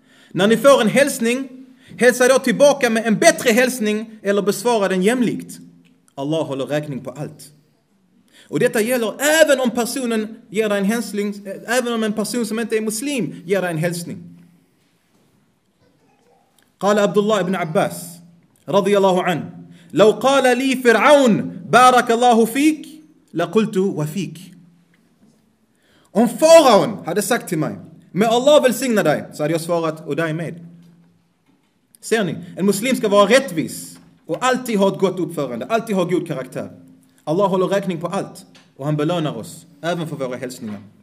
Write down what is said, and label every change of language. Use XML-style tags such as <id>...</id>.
<sv>När ni får en hälsning, hälsa då tillbaka med en bättre hälsning eller besvara den jämlikt. Allah håller räkning på allt. Och detta gäller även om personen ger dig en hälsning, även om en person som inte är muslim ger dig en hälsning.</sv> <ar>قال عبد الله بن عباس رضي الله عنه لو قال لي فرعون بارك الله فيك لقلت وفيك.</ar> <sv>Om faraon hade sagt till mig, med Allah välsigna dig, så hade jag svarat och dig med. Ser ni, en muslim ska vara rättvis och alltid ha ett gott uppförande, alltid ha god karaktär. Allah håller räkning på allt och han belönar oss även för våra hälsningar.</sv>